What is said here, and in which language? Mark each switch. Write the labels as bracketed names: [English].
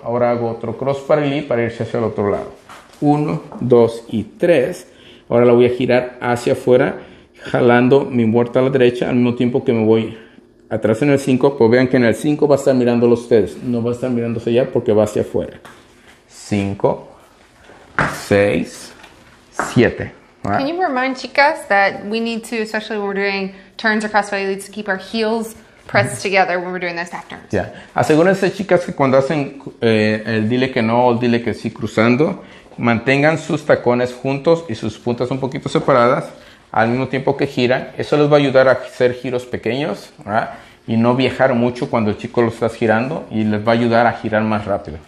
[Spanish] Ahora hago otro cross parallel para irse hacia el otro lado. 1, 2 y 3. Ahora la voy a girar hacia afuera, jalando mi muerta a la derecha al mismo tiempo que me voy atrás en el 5. Pues vean que en el 5 va a estar mirándolo ustedes. No va a estar mirándose allá porque va hacia afuera. 5, 6, 7. [English] Can you remind [Spanish] chicas [English] that we need to, especially when we're doing turns or cross body leads, to keep our heels pressed together when we're doing those half turns? Yeah. [Spanish] Asegúrense, chicas, que cuando hacen el dile que no o el dile que sí cruzando, mantengan sus tacones juntos y sus puntas un poquito separadas al mismo tiempo que giran. Eso les va a ayudar a hacer giros pequeños, ¿verdad? Y no viajar mucho cuando el chico lo estás girando, y les va a ayudar a girar más rápido.